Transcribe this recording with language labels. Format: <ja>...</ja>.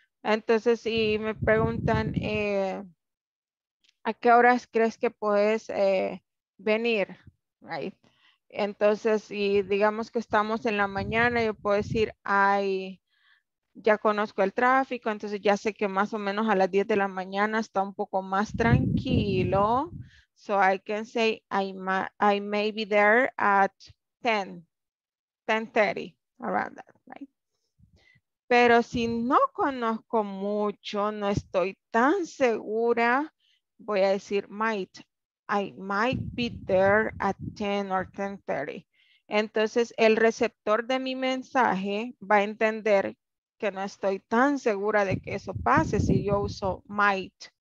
<es>Entonces, si me preguntan, ¿a qué horas crees que puedes venir? Right. Entonces, si digamos que estamos en la mañana, yo puedo decir, ay, ya conozco el tráfico, entonces ya sé que más o menos a las 10 de la mañana está un poco más tranquilo.</es> <en>So I can say, I may be there at 10:30, around that, right?</en> <es>Pero si no conozco mucho, no estoy tan segura, voy a decir might.</es> <en>I might be there at 10 or 10:30.</en> <es>Entonces el receptor de mi mensaje va a entender que no estoy tan segura de que eso pase si yo uso might.</es>